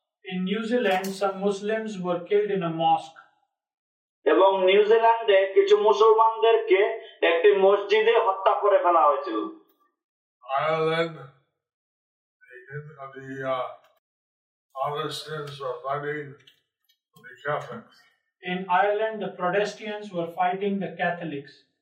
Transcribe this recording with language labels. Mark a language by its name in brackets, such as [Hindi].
[English] In New Zealand, some Muslims were killed in a mosque. [Bangla] এবং নিউজিল্যান্ডে কিছু মুসলমানদেরকে একটি মসজিদে হত্যা করে ফেলা হয়েছিল. [English] Ireland. The Protestants were fighting the Catholics. In Ireland, the Protestants were fighting the Catholics.